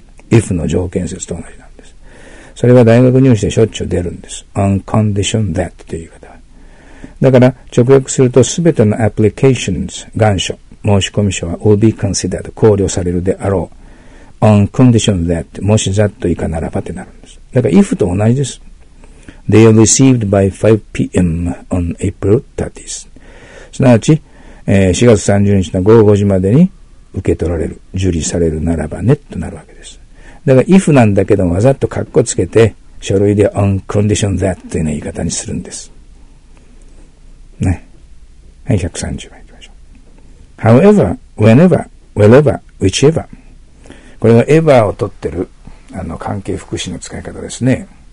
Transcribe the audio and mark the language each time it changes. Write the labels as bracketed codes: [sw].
[ja] if の条件説と同じなんです。それは大学入試でしょっちゅう出るんです。 [en] on condition that [ja] という言い方。だから直訳するとすべての applications、願書、申し込み書は [en] will be considered、 [ja] 考慮されるであろう。 [en] on condition that、 [ja] もし that 以下ならばってなるんです。だから if と同じです。 [en] they are received by 5pm on April 30th。 [ja] すなわち、4月30日の午後5時までに受け取られる、受理されるならばねとなるわけです。だから if なんだけどわざっとカッコつけて書類で [en] on condition that [ja] というような言い方にするんです。ね。はい、130番いきましょう。however, whenever, wherever, whichever、これは ever を取ってる、関係副詞の使い方ですね。